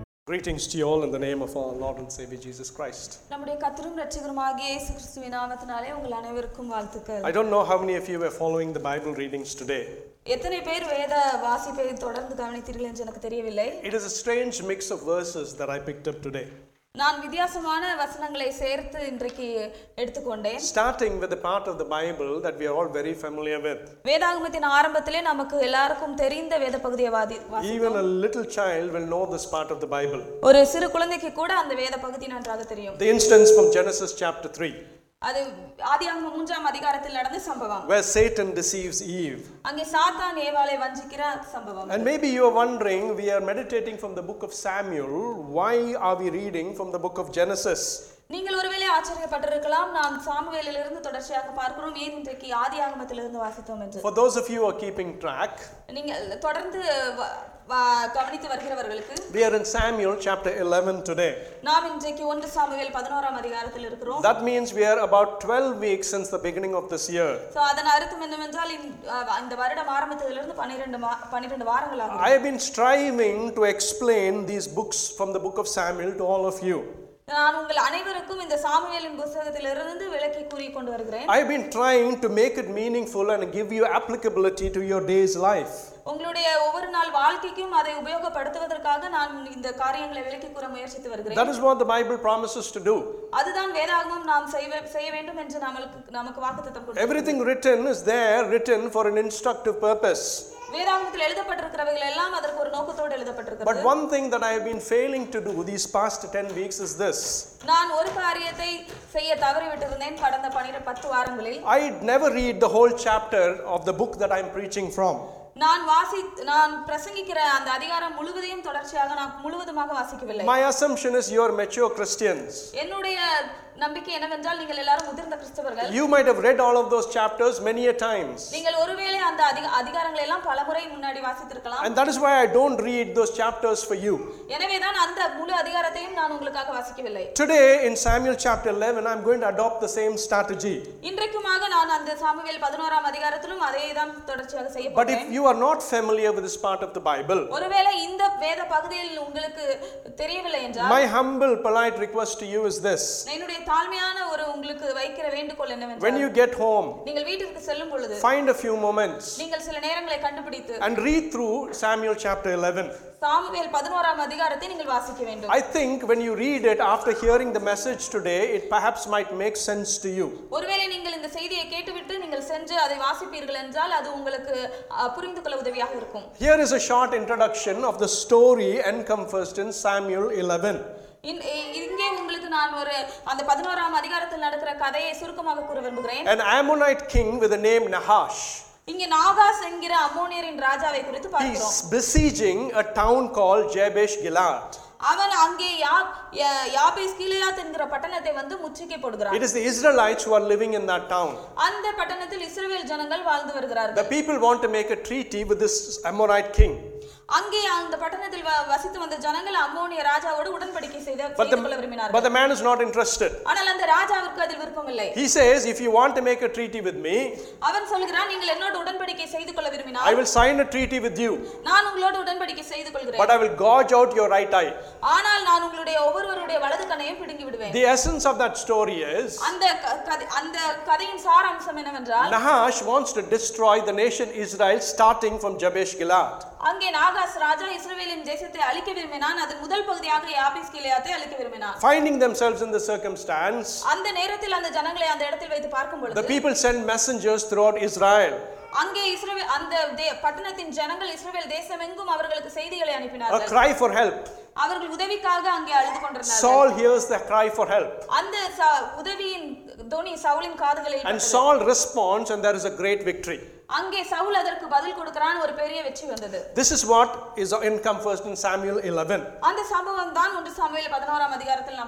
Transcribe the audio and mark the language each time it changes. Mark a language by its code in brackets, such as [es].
[en] Greetings to you all in the name of our Lord and Savior Jesus Christ. [ta] நம்முடைய கர்த்தரும் இரட்சகருமாகிய இயேசு கிறிஸ்துவின் நாமத்தினாலே உங்கள் அனைவருக்கும் வாழ்த்துக்கள். [en] I don't know how many of you were following the Bible readings today. [ta] எத்தனை பேர் வேத வாசிப்பை தொடர்ந்து கவனித்தீர்கள் என்று எனக்கு தெரியவில்லை. [en] It is a strange mix of verses that I picked up today. [ta] நான் வித்தியாசமான வசனங்களை சேர்த்து இன்றைக்கு எடுத்துக்கொண்டேன். [en] Starting with the part of the Bible that we are all very familiar with. [ta] வேதாகமத்தின் ஆரம்பத்திலே நமக்கு எல்லாருக்கும் தெரிந்த வேத பகுதியை வாசிப்போம். [en] Even a little child will know this part of the Bible. [ta] ஒரு சிறு குழந்தைக்கு கூட அந்த வேத பகுதி நன்றாக தெரியும். [en] The instance from Genesis chapter 3. [ta] அது ஆதியாகமம் 3 அதிகாரத்தில் நடந்த சம்பவம். [en] Where Satan deceives Eve. [ta] அங்கே சாத்தான் ஏவாளை வஞ்சிக்கிற சம்பவம். [en] And maybe you are wondering, we are meditating from the book of Samuel, why are we reading from the book of Genesis? [ta] நீங்கள் ஒருவேளை ஆச்சரியப்பட்டிருக்கலாம், நாம் சாமுவேலிலிருந்து தொடர்ச்சியாக பார்க்கிறோம், ஏன் இன்றைக்கு ஆதியாகமத்திலிருந்து வாசித்தோம் என்று. [en] For those of you who are keeping track, [ta] நீங்கள் தொடர்ந்து கவனித்து வருகிறவர்களுக்கு, [en] we are in Samuel chapter 11 today. [ta] நாம் இன்றைக்கு 1 சாமுவேல் 11 அதிகாரத்தில் இருக்கிறோம். [en] That means we are about 12 weeks since the beginning of this year. [ta] So அதன் அர்த்தம் என்னவென்றால், இந்த வருடம் ஆரம்பத்திலிருந்து 12 வாரங்கள் ஆகும். [en] I have been striving to explain these books from the book of Samuel to all of you. [ta] நான் உங்கள் அனைவருக்கும் இந்த சாமுவேலின் புத்தகத்திலிருந்து விளக்கி கூறி கொண்டு வருகிறேன். [en] I have been trying to make it meaningful and give you applicability to your day's life. [ta] உங்களுடைய ஒவ்வொரு நாள் வாழ்க்கைக்கும் அதை உபயோகப்படுத்துவதற்காக நான் இந்த காரியங்களை விளக்கி கூற முயற்சித்து வருகிறேன். [en] That is what the Bible promises to do. [ta] அதுதான் வேதாகமம் நாம் செய்ய வேண்டும் என்று நமக்கு வாக்குத்தத்தம் கொடுக்கிறது. [en] Everything written is there, written for an instructive purpose. [ta] வேதாகமத்தில் எழுதப்பட்டிருக்கிறவைகள் எல்லாம் அதற்கு ஒரு நோக்கத்தோடு எழுதப்பட்டிருக்கிறது. [en] But one thing that I have been failing to do these past 10 weeks is this. [ta] நான் ஒரு காரியத்தை செய்ய தவறிவிட்டிருந்தேன் கடந்த 10 வாரங்களில். [en] I never read the whole chapter of the book that I am preaching from. [ta] நான் பிரசங்கிக்கிற அந்த அதிகாரம் முழுவதையும் தொடர்ச்சியாக நான் முழுவதுமாக வாசிக்கவில்லை. [en] My assumption is you are mature Christians. [ta] என்னுடைய நம்பிக்கை என்னவென்றால், நீங்கள் எல்லாரும் முதிர்ந்த கிறிஸ்தவர்கள். [en] You might have read all of those chapters many a times. [ta] நீங்கள் ஒருவேளை அந்த அதிகாரங்களை எல்லாம் பலமுறை முன்னாடி வாசித்திருக்கலாம். [en] And that is why I don't read those chapters for you. [ta] எனவே தான் அந்த முழு அதிகாரத்தையும் நான் உங்களுக்காக வாசிக்கவில்லை. [en] Today in Samuel chapter 11 I'm going to adopt the same strategy. [ta] இன்றைக்குமாக நான் அந்த சாமுவேல் 11 அதிகாரத்திலும் அதேதான் தொடர்ச்சியாக செய்ய போகிறேன். [en] But if you are not familiar with this part of the Bible, [ta] ஒருவேளை இந்த வேத பகுதியில் உங்களுக்கு தெரியவில்லை என்றால், [en] My humble polite request to you is this. [ta] தாழ்மையான ஒரு உங்களுக்கு வைக்கிற வேண்டுகோள் என்னவென்றால், [en] When you get home, [ta] நீங்கள் வீட்டுக்கு செல்லும் பொழுது, [en] Find a few moments, [ta] நீங்கள் சில நேரங்களை கண்டுபிடித்து, [en] And read through Samuel chapter 11. [ta] Samuel 11 அதிகாரத்தை நீங்கள் வாசிக்க வேண்டும். [en] I think when you read it after hearing the message today, it perhaps might make sense to you. [ta] ஒருவேளை நீங்கள் இந்த செய்தியை கேட்டுவிட்டு நீங்கள் சென்று அதை வாசிப்பீர்கள் என்றால் அது உங்களுக்கு புரிந்துகொள்ள உதவியாக இருக்கும். [en] Here is a short introduction of the story encompassed in Samuel 11. [ta] இங்கே உங்களுக்கு நான் ஒரு அந்த 11 அதிகாரத்தில் நடக்கிற கதையை சுருக்கமாக கூற விரும்புகிறேன். [en] An Ammonite king with a name Nahash. [ta] இங்கே நாகாஸ் என்கிற அம்மோனியரின் ராஜாவை குறித்து பார்க்கிறோம். [en] He is besieging a town called Jabesh Gilead. [ta] அவன் அங்கே யாபேஸ் கீலேயாத் என்கிற பட்டணத்தை வந்து முற்றுகை போடுகிறான். [en] It is the Israelites who are living in that town. [ta] அந்த பட்டணத்தில் இஸ்ரவேல் ஜனங்கள் வாழ்ந்து வருகிறார்கள். [en] The people want to make a treaty with this Ammonite king. [ta] அங்கே அந்த பட்டணத்தில் வசித்து வந்த ஜனங்கள் அம்மோனிய ராஜாவோடு உடன்படிக்கை செய்து கொள்ள விரும்பினார். [en] But the man is not interested. [ta] ஆனால் அந்த ராஜாவுக்கு அதில் விருப்பம் இல்லை. [en] He says, if you want to make a treaty with me, [ta] அவன் சொல்கிறான், நீங்கள் என்னோடு உடன்படிக்கை செய்து கொள்ள விரும்பினால், [en] I will sign a treaty with you. [ta] நான் உங்களோடு உடன்படிக்கை செய்து கொள்கிறேன். [en] But I will gouge out your right eye. [ta] ஆனால் நான் உங்களுடைய ஒவ்வொருவருடைய வலது கண்ணையும் பிடுங்கி விடுவேன். [en] The essence of that story is, [ta] அந்த கதையின் சாராம்சம் என்னவென்றால், [en] Nahash wants to destroy the nation Israel starting from Jabesh Gilead. [ta] அங்கே நாகாஸ் ராஜா இஸ்ரவேலின் தேசத்தை அழிக்க விரும்பினான். அது முதல் பகுதியாக யாபேஸ் கீலேயாத்தை அழிக்க விரும்பினான். [en] Finding themselves in the circumstance, [ta] அந்த நேரத்தில் அந்த ஜனங்களை அந்த இடத்தில் வைத்து பார்க்கும் பொழுது, [en] the people send messengers throughout Israel. [ta] அங்கே இஸ்ரவேல் அந்த பட்டணத்தின் ஜனங்கள் இஸ்ரவேல் தேசம் எங்கும் அவர்களுக்கு செய்திகளை அனுப்பினார்கள். [en] A cry for help. [ta] அவர்கள் உதவிக்காக அங்கே அழுது கொண்டிருந்தார்கள். [en] Saul hears the cry for help. [ta] அந்த உதவியின் தோனி சவுலின் காதுகளில் [en] And Saul responds and there is a great victory. [ta] அங்கே சவுல் அதற்கு பதில் கொடுக்கிறான், ஒரு பெரிய வெற்றி வந்தது. [en] This is what is encompassed in Samuel 11. [ta] அந்த சம்பவம் தான் 1 சாமுவேல் 11 அதிகாரத்தில் நாம்